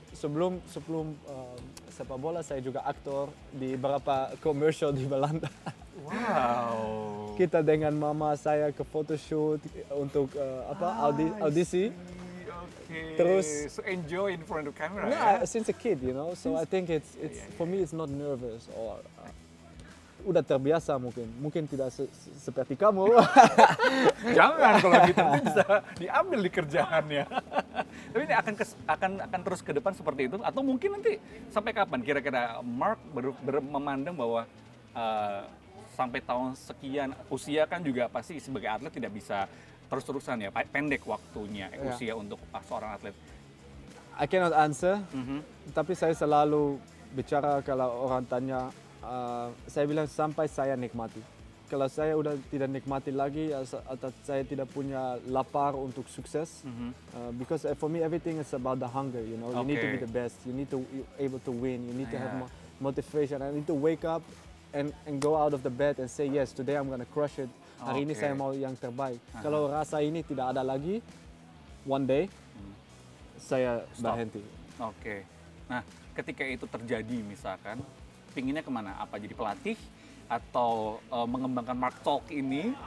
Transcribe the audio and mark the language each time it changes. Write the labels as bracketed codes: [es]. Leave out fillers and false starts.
[id] Sebelum sepak bola, saya juga aktor di beberapa komersial di Belanda. Wow. Kita dengan mama saya ke photoshoot untuk audisi. Okay. Terus [en] so enjoy in front of camera. Yeah, Since a kid, you know. So I think it's for me it's not nervous or [id] udah terbiasa mungkin. Mungkin tidak seperti kamu. Jangan kalau gitu bisa diambil di kerjaannya. Tapi ini akan terus ke depan seperti itu atau mungkin nanti sampai kapan kira-kira Mark memandang bahwa sampai tahun sekian usia kan juga pasti sebagai atlet tidak bisa terus-terusan ya, pendek waktunya, usia untuk seorang atlet? [en] I cannot answer, [id] tapi saya selalu bicara kalau orang tanya, saya bilang sampai saya nikmati. Kalau saya udah tidak nikmati lagi atau saya tidak punya lapar untuk sukses, [en] because for me everything is about the hunger, you know. You need to be the best, you need to able to win, you need to have motivation. I need to wake up and go out of the bed and say yes, today I'm gonna crush it. [id] Hari ini saya mau yang terbaik. Kalau rasa ini tidak ada lagi, [en] one day [id] saya berhenti. Nah, ketika itu terjadi misalkan, pinginnya kemana? Apa jadi pelatih? Atau mengembangkan Mark Talk ini?